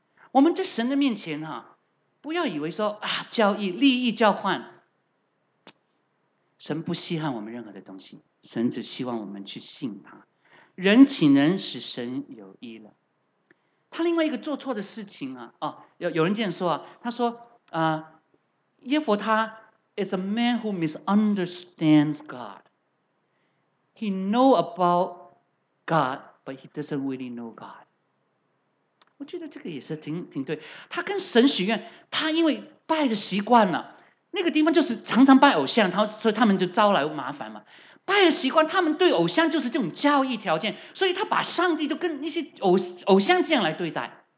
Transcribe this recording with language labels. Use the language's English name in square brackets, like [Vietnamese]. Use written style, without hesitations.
[Chinese] 我们在神的面前哈，不要以为说啊，交易利益交换，神不稀罕我们任何的东西，神只希望我们去信他。人岂能使神有益呢？他另外一个做错的事情啊，哦，有人这样说啊，他说啊，耶弗他。 [English] It's a man who misunderstands God. He knows about God, but he doesn't really know God. [Chinese] 我觉得这个也是 挺对，他跟神许愿，他因为拜的习惯了，那个地方就是常常拜偶像，所以他们就招来麻烦嘛。拜的习惯，他们对偶像就是这种交易条件，所以他把上帝就跟那些 偶像这样来对待。